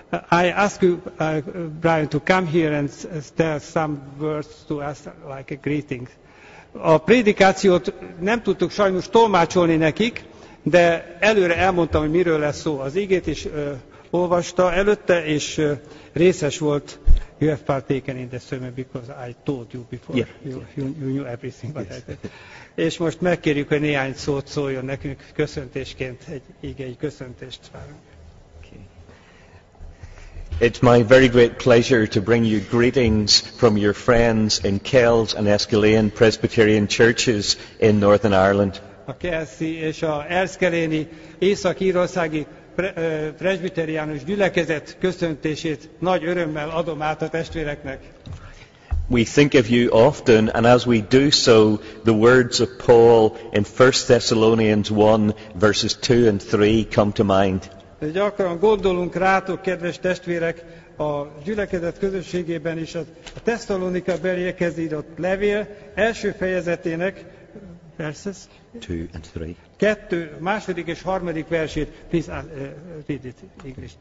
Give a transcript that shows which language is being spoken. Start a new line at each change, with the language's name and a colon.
English: I ask you, Brian, to come here and tell some words to us like a greeting.
Hungarian: A prédikációt nem tudtuk sajnos tolmácsolni nekik, de előre elmondtam, hogy miről lesz szó. Az ígét is olvasta előtte, és részes volt
English: You have partaken in the sermon because I told you before. You knew everything about that.
Hungarian: És most megkérjük, hogy néhány szót szóljon nekünk köszöntésként, egy köszöntést várunk.
English: It's my very great pleasure to bring you greetings from your friends in Kells and Enniskillen Presbyterian Churches in Northern Ireland.
Hungarian: A Kelsi és a Enniskilleni Észak-Írországi Presbyteriánus gyülekezet köszöntését nagy örömmel adom át a testvéreknek.
English: We think of you often, and as we do so, the words of Paul in 1 Thessalonians 1 verses 2 and 3 come to mind.
Hungarian: De gyakran gondolunk rátok, kedves testvérek, a gyülekezet közösségében is a Tesszalonika beliekhez írott levél első fejezetének verses
English: 2 and 3.
Hungarian: Kettő, második és harmadik versét
English: read it English.